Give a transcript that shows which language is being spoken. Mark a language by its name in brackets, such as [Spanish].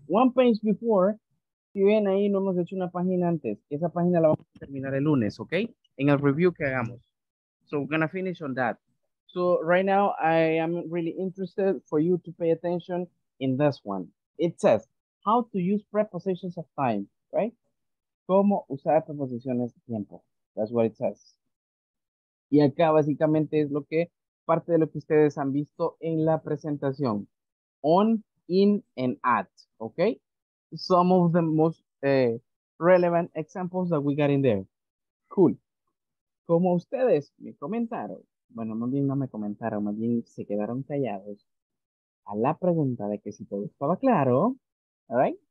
[English] One page before, [Spanish] si ven ahí, no hemos hecho una página antes. Esa página la vamos a terminar el lunes, okay? En el review que hagamos. [English] So we're gonna finish on that. So right now, I am really interested for you to pay attention in this one. It says, how to use prepositions of time, right? [Spanish] ¿Cómo usar preposiciones de tiempo? [English] That's what it says. [Spanish] Y acá básicamente es lo que, parte de lo que ustedes han visto en la presentación. [English] On, in, and at. Okay? Some of the most relevant examples that we got in there. Cool. [Spanish] Como ustedes me comentaron, bueno, más bien no me comentaron, más bien se quedaron callados a la pregunta de que si todo estaba claro. [English] All right?